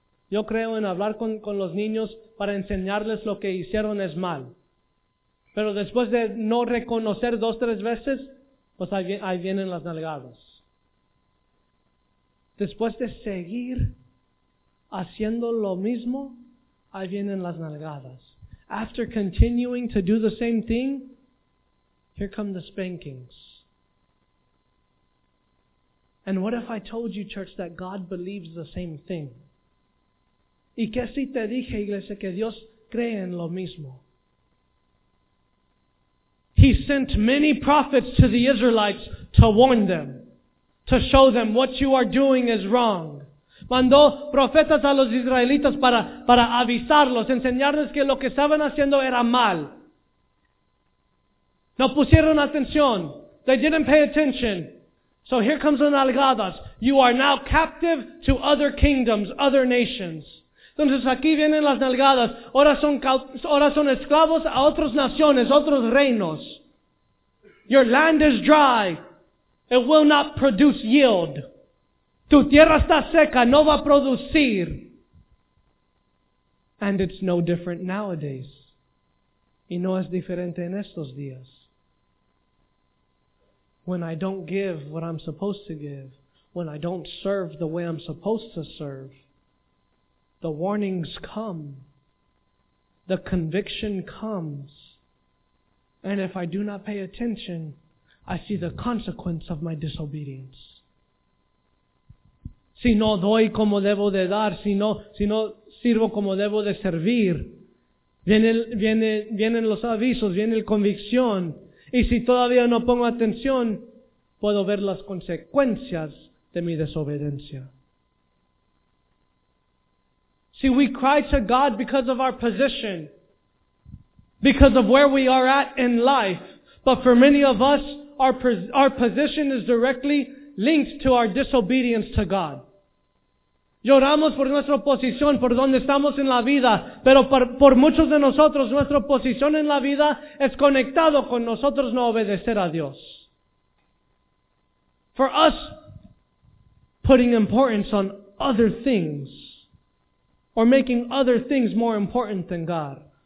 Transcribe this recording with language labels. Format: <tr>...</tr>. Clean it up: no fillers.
<es>Yo creo en hablar con los niños para enseñarles lo que hicieron es mal. Pero después de no reconocer 2-3 veces, pues ahí vienen las nalgadas. Después de seguir haciendo lo mismo, ahí vienen las nalgadas.</es> <en>After continuing to do the same thing, here come the spankings. And what if I told you, church, that God believes the same thing?</en> <es>¿Y qué si te dije, iglesia, que Dios cree en lo mismo?</es> <en>He sent many prophets to the Israelites to warn them, to show them what you are doing is wrong.</en> <es>Mandó profetas a los israelitas para avisarlos, enseñarles que lo que estaban haciendo era mal. No pusieron atención.</es> <en>They didn't pay attention. So here comes the nalgadas. You are now captive to other kingdoms, other nations.</en> <es>Entonces aquí vienen las nalgadas. Ahora son esclavos a otras naciones, otros reinos.</es> <en>Your land is dry. It will not produce yield.</en> <es>Tu tierra está seca. No va a producir.</es> <en>And it's no different nowadays.</en> <es>Y no es diferente en estos días.</es> <en>When I don't give what I'm supposed to give, when I don't serve the way I'm supposed to serve, the warnings come. The conviction comes. And if I do not pay attention, I see the consequence of my disobedience.</en> <es>Si no doy como debo de dar, si no sirvo como debo de servir, vienen los avisos, viene la convicción. Y si todavía no pongo atención, puedo ver las consecuencias de mi desobediencia.</es> <en>See, we cry to God because of our position, because of where we are at in life. But for many of us, our position is directly linked to our disobedience to God.</en> <es>Lloramos por nuestra posición, por donde estamos en la vida, pero por muchos de nosotros, nuestra posición en la vida es conectado con nosotros no obedecer a Dios.</es> <en>For us, putting importance on other things, or making other things more important than God.</en>